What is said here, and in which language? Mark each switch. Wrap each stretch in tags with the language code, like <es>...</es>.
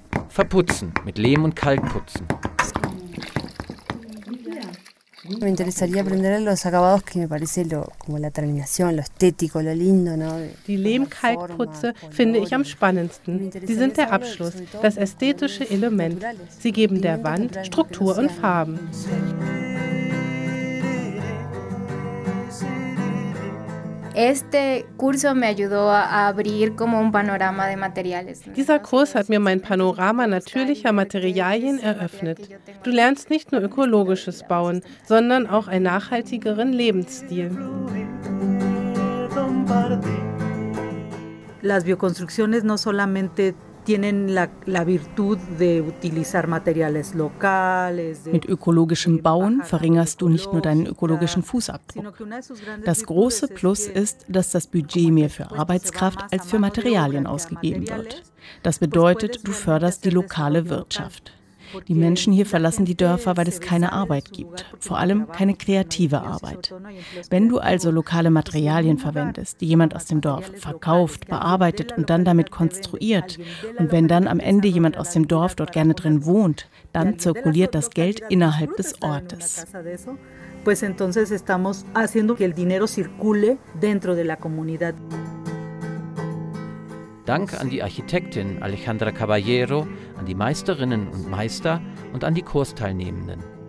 <de>Verputzen, mit Lehm und Kalk putzen.</de> <es>Me interesaría aprender los acabados que me parece lo como la terminación, lo estético, lo lindo, ¿no?</es> <de>Die Lehmkalkputze finde ich am spannendsten. Sie sind der Abschluss, das ästhetische Element. Sie geben der Wand Struktur und Farben.</de> <es>Este curso me ayudó a abrir como un panorama de materiales.</es> <de>Dieser Kurs hat mir mein Panorama natürlicher Materialien eröffnet. Du lernst nicht nur ökologisches Bauen, sondern auch einen nachhaltigeren Lebensstil.</de> <es>Las bioconstrucciones no solamente tienen la virtud de utilizar materiales locales.</es> <de>Mit ökologischem Bauen verringerst du nicht nur deinen ökologischen Fußabdruck. Das große Plus ist, dass das Budget mehr für Arbeitskraft als für Materialien ausgegeben wird. Das bedeutet, du förderst die lokale Wirtschaft. Die Menschen hier verlassen die Dörfer, weil es keine Arbeit gibt, vor allem keine kreative Arbeit. Wenn du also lokale Materialien verwendest, die jemand aus dem Dorf verkauft, bearbeitet und dann damit konstruiert, und wenn dann am Ende jemand aus dem Dorf dort gerne drin wohnt, dann zirkuliert das Geld innerhalb des Ortes.</de> <es>Pues entonces estamos haciendo que el dinero circule dentro de la comunidad.</es> <de>Dank an die Architektin Alejandra Caballero, an die Meisterinnen und Meister und an die Kursteilnehmenden.</de>